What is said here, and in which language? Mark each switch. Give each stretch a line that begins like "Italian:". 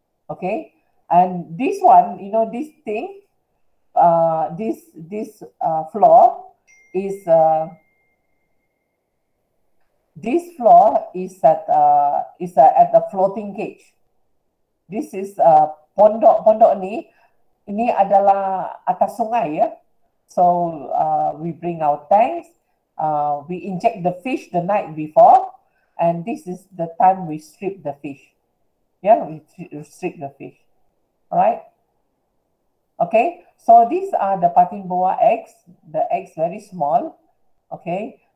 English: Okay, and this one, you know, this thing, this floor is this floor is at the floating cage. This is
Malay: pondok ni. Ini adalah atas sungai, ya.
English: So we bring our tanks. We inject the fish the night before, and this is the time we strip the fish. Yeah, we strip the fish. All right. Okay. So these are the patin boa eggs. The eggs very small. Okay.